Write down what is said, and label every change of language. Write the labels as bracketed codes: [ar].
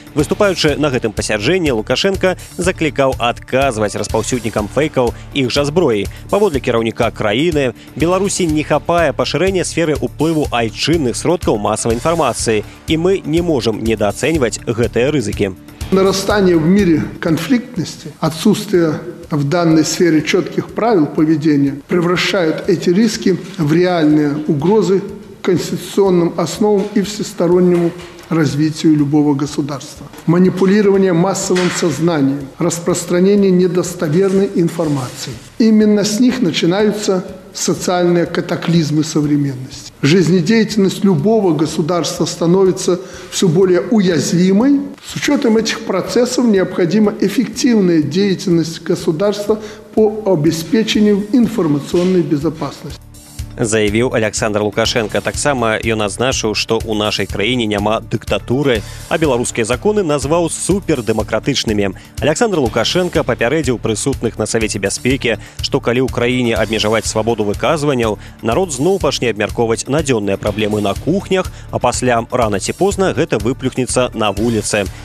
[be] Выступаючы на гэтым пасяджэнні, Лукашэнка заклікаў адказваць распаўсюднікам фэйкаў іх жа зброяй. Паводле кіраўніка краіны, Беларусі не хапае пашырэння сферы ўплыву айчынных сродкаў масавай інфармацыі, і мы не можам недаацэньваць гэтыя рызыкі. [ru] Нарастание в мире конфликтности, отсутствие в данной сфере четких правил поведения превращают эти риски в реальные угрозы конституционным основам и всестороннему развитию любого государства. Манипулирование массовым сознанием, распространение недостоверной информации. Именно с них начинаются социальные катаклизмы современности. Жизнедеятельность любого государства становится все более уязвимой. С учетом этих процессов необходима эффективная деятельность государства по обеспечению информационной безопасности. [be] Заявіў Александр Лукашэнка. Таксама ён адзначыў, што ў нашай краіне няма дыктатуры, а беларускія законы назваў супердэмакратычнымі. Александр Лукашэнка папярэдзіў прысутных на Савеце бяспекі, што калі ў краіне абмежаваць свабоду выказванняў, народ зноў пачне абмяркоўваць надзённыя праблемы на кухнях, а пасля рана ці позна гэта выплюхнецца на вуліцы.